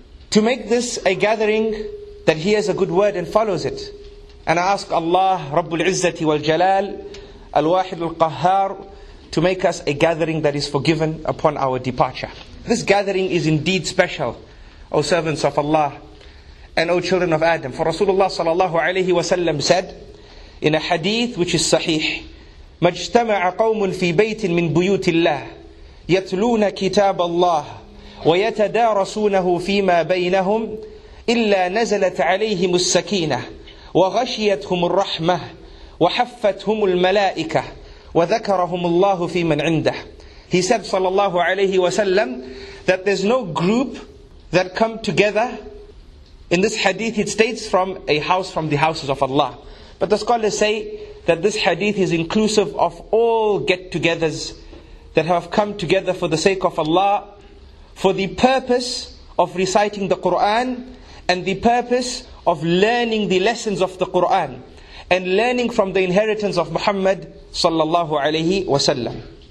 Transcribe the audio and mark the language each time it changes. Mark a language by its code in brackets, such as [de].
[en] To make this a gathering that hears a good word and follows it. And I ask Allah, Rabbul Izzati wal Jalal, Al-Wahid Al-Qahhar, to make us a gathering that is forgiven upon our departure. This gathering is indeed special, O servants of Allah and O children of Adam. For Rasulullah sallallahu alayhi wa sallam said in a hadith which is sahih, [ar] مَجْتَمَعَ قَوْمٌ فِي بَيْتٍ مِّن بُيُوتِ اللَّهِ يَتْلُونَ كِتَابَ اللَّهِ وَيَتَدَارَسُونَهُ فِيمَا بَيْنَهُمْ إِلَّا نَزَلَتْ عَلَيْهِمُ السَّكِينَةِ وَغَشِيَتْهُمُ الرَّحْمَةِ وَحَفَّتْهُمُ الْمَلَائِكَةِ وَذَكَرَهُمُ اللَّهُ فِي مَنْ عِنْدَهُ [en] He said, sallallahu alayhi wa sallam, that there's no group that come together. In this hadith, it states from a house, from the houses of Allah. But the scholars say that this hadith is inclusive of all get-togethers that have come together for the sake of Allah, for the purpose of reciting the Qur'an, and the purpose of learning the lessons of the Qur'an, and learning from the inheritance of Muhammad sallallahu alayhi wa sallam.